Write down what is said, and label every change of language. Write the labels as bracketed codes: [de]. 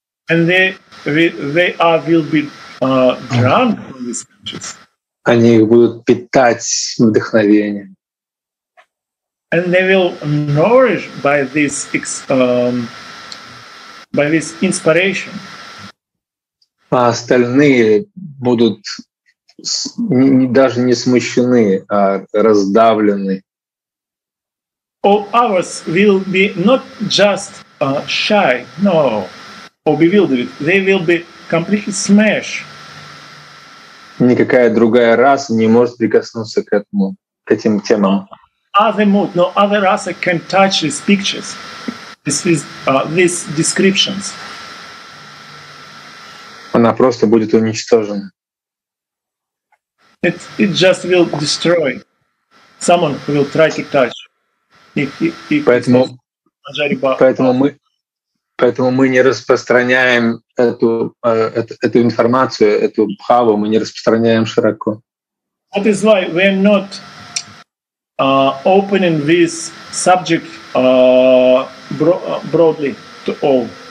[en] And they will be drunk from these pictures. [ru] Они их будут питать вдохновением. [en] And they will nourish by this inspiration. [ru] А остальные будут даже не смущены, а раздавлены. [en] All others will be not just shy, no, or bewildered. They will be completely smashed. [ru] Никакая другая раса не может прикоснуться к этому, к этим темам. [en] Other mood, no other race can touch these pictures, these descriptions. [ru] Она просто будет уничтожена. [en] It just will destroy. Someone will try to touch. [ru] Поэтому мы не распространяем эту информацию, эту бхаву, мы не распространяем широко. [en] That is why we are not opening this subject broadly to all.